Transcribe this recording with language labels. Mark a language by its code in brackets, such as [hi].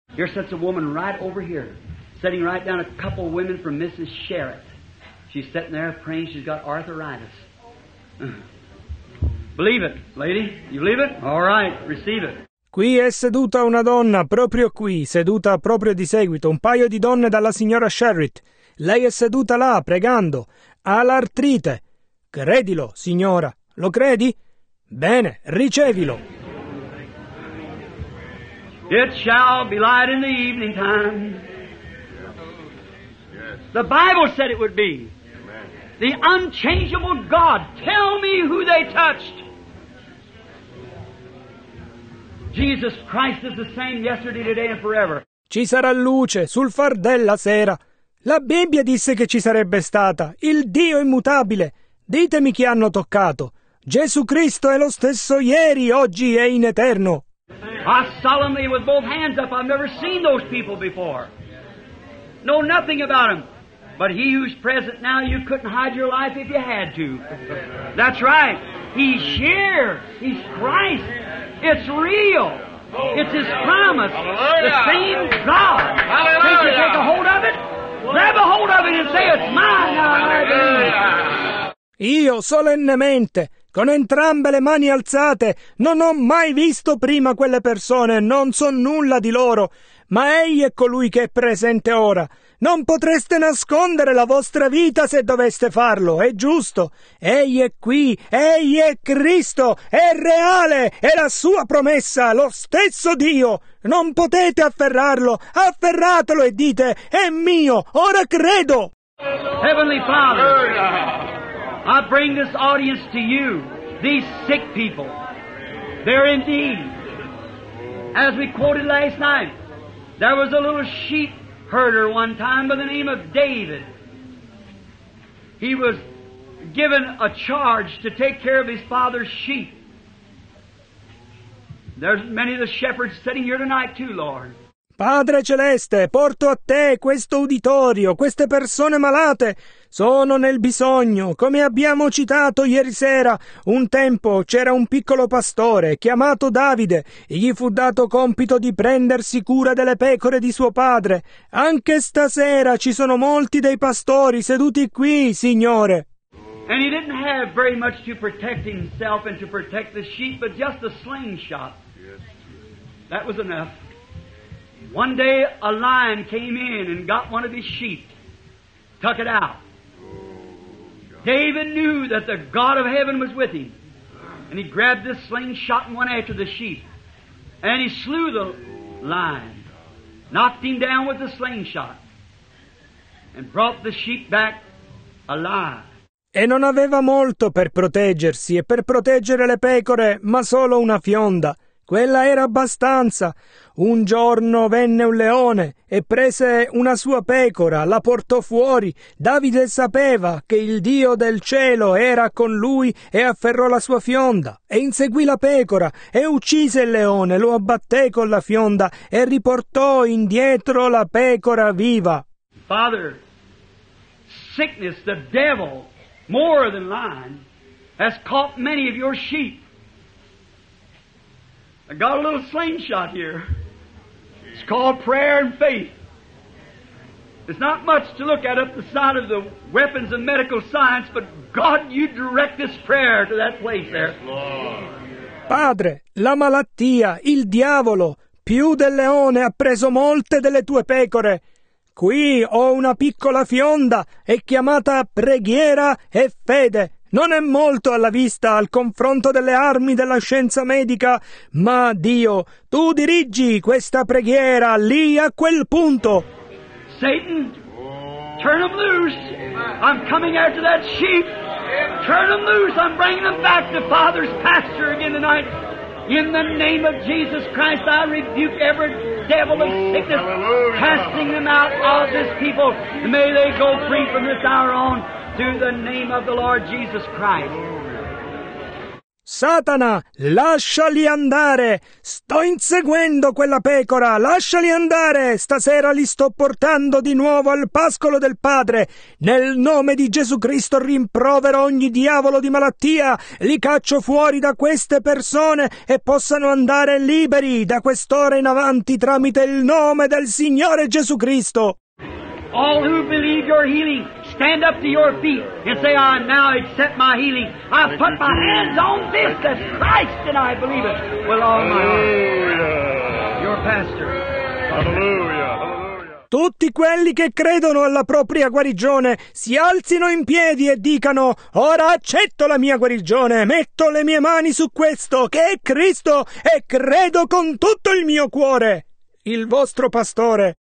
[en] Here sits a woman right over here, sitting right down, a couple of women from Mrs. Sherritt. She's sitting there praying, she's got arthritis. Believe it, lady. You believe it? All right, receive it. [it] Qui è seduta una donna, proprio qui, seduta proprio di seguito, un paio di donne dalla signora Sherritt. Lei è seduta là, pregando. Ha l'artrite. Credilo, signora. Lo credi? Bene, ricevilo. [en] It shall be light in the evening time. The Bible said it would be. The unchangeable God. Tell me who they touched. Jesus Christ is the same yesterday, today and forever. [it] Ci sarà luce sul far della sera. La Bibbia disse che ci sarebbe stata. Il Dio immutabile. Ditemi chi hanno toccato. Gesù Cristo è lo stesso ieri, oggi e in eterno. [en] I solemnly with both hands up, I've never seen those people before. Know nothing about them. But he who's present now, you couldn't hide your life if you had to. That's right. He's here. He's Christ. It's real. It's His promise. Hallelujah. The same God. Hallelujah. Can't you take a hold of it? Grab a hold of it and say, it's mine now. Hallelujah. [it] Io solennemente, con entrambe le mani alzate, non ho mai visto prima quelle persone, non so nulla di loro, ma Egli è colui che è presente ora. Non potreste nascondere la vostra vita se doveste farlo, è giusto. Egli è qui, Egli è Cristo, è reale, è la sua promessa, lo stesso Dio. Non potete afferrarlo, afferratelo e dite, è mio, ora credo. [en] Heavenly Father, I bring this audience to you, these sick people. They're in need. As we quoted last night, there was a little sheep herder one time by the name of David. He was given a charge to take care of his father's sheep. There's many of the shepherds sitting here tonight too, Lord. [it] Padre Celeste, porto a te questo uditorio, queste persone malate. Sono nel bisogno. Come abbiamo citato ieri sera, un tempo c'era un piccolo pastore chiamato Davide e gli fu dato compito di prendersi cura delle pecore di suo padre. Anche stasera ci sono molti dei pastori seduti qui, Signore. [en] And he didn't have very much to protect himself and to protect the sheep, but just a slingshot. That was enough. One day a lion came in and got one of his sheep, took it out. David knew that the God of heaven was with him. And he grabbed this slingshot and went after the sheep. And he slew the lion, knocked him down with the slingshot, and brought the sheep back alive. [it] E non aveva molto per proteggersi e per proteggere le pecore, ma solo una fionda. Quella era abbastanza. Un giorno venne un leone e prese una sua pecora, la portò fuori. Davide sapeva che il Dio del cielo era con lui e afferrò la sua fionda e inseguì la pecora e uccise il leone, lo abbatté con la fionda e riportò indietro la pecora viva. [en] Father, sickness, the devil, more than lying, has caught many of your sheep. I got a little slingshot here. It's called prayer and faith. It's not much to look at up the side of the weapons of medical science, but God, you direct this prayer to that place there. Yes, Lord. [it] Padre, la malattia, il diavolo, più del leone ha preso molte delle tue pecore. Qui ho una piccola fionda, è chiamata preghiera e fede. Non è molto alla vista al confronto delle armi della scienza medica, ma Dio, tu dirigi questa preghiera lì a quel punto. [en] Satan, turn them loose. I'm coming after that sheep. Turn them loose. I'm bringing them back to Father's pasture again tonight. In the name of Jesus Christ, I rebuke every devil of sickness, casting them out of this people. May they go free from this hour on. In the name of the Lord Jesus Christ. [it] Satana, lasciali andare. Sto inseguendo quella pecora. Lasciali andare. Stasera li sto portando di nuovo al pascolo del Padre. Nel nome di Gesù Cristo rimprovero ogni diavolo di malattia. Li caccio fuori da queste persone e possano andare liberi da quest'ora in avanti tramite il nome del Signore Gesù Cristo. [en] All who believe your healing, stand up to your feet and say, I now accept my healing. I put my hands on this as Christ, and I believe it with all my heart. Your pastor. Hallelujah. [it] Tutti quelli che credono alla propria guarigione si alzino in piedi e dicano: ora accetto la mia guarigione, metto le mie mani su questo che è Cristo e credo con tutto il mio cuore. Il vostro pastore.